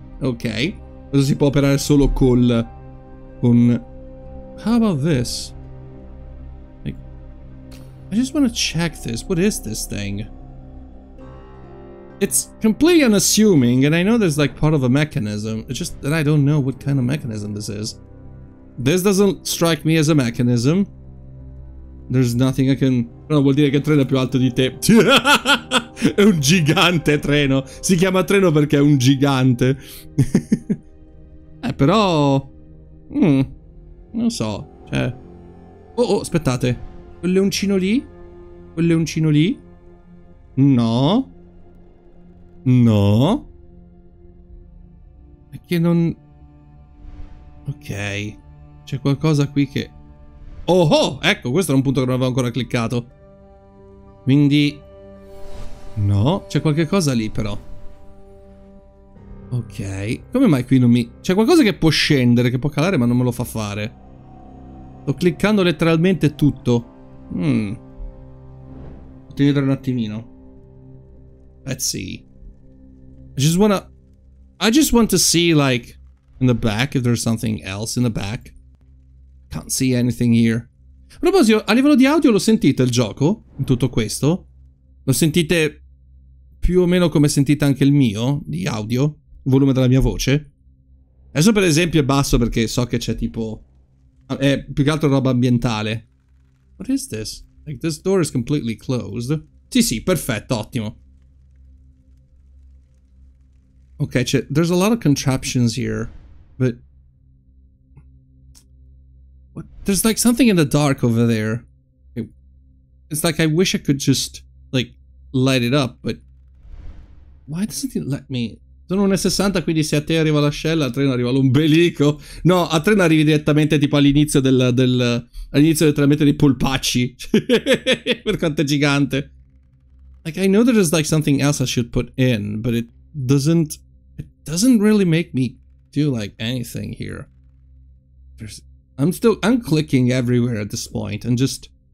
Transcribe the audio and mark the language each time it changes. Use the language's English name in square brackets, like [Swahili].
[Italian] Okay. Questo si può operare solo con... [English] How about this? I just want to check this. What is this thing? It's completely unassuming, and I know there's like part of a mechanism. It's just that I don't know what kind of mechanism this is. This doesn't strike me as a mechanism. There's nothing I can... [Italian] No, vuol dire che il treno è più alto di te. È un gigante treno. Si chiama treno perché è un gigante. però... Non so. Cioè... Oh, aspettate. Quel leoncino lì? Quel leoncino lì? No. No. Perché non... Ok. C'è qualcosa qui che... Oh, oh! Ecco, questo era un punto che non avevo ancora cliccato. Quindi... No. C'è qualche cosa lì, però. Ok. Come mai qui non mi... C'è qualcosa che può scendere, che può calare, ma non me lo fa fare. Sto cliccando letteralmente tutto. Fatemi vedere un attimino. [English] Let's see. I just want to see, like, in the back, if there's something else in the back. Can't see anything here. [Italian] A proposito, a livello di audio lo sentite il gioco? In tutto questo? Lo sentite più o meno come sentite anche il mio, di audio? Il volume della mia voce? Adesso per esempio è basso perché so che c'è tipo... È più che altro roba ambientale. [English] What is this? Like, this door is completely closed. [Italian] Sì, sì, perfetto, ottimo. [English] Okay, there's a lot of contraptions here, but... What? There's, like, something in the dark over there. It's like I wish I could just, like, light it up, but... Why doesn't it let me... [Italian] Sono 1,60, quindi se a te arriva l'ascella, al treno arriva l'ombelico. No, a treno arrivi direttamente tipo all'inizio all'inizio letteralmente dei polpacci. Per quanto è gigante. [English] Like, I know there is like something else I should put in, but it doesn't really make me do like anything here. I'm clicking everywhere at this point and just...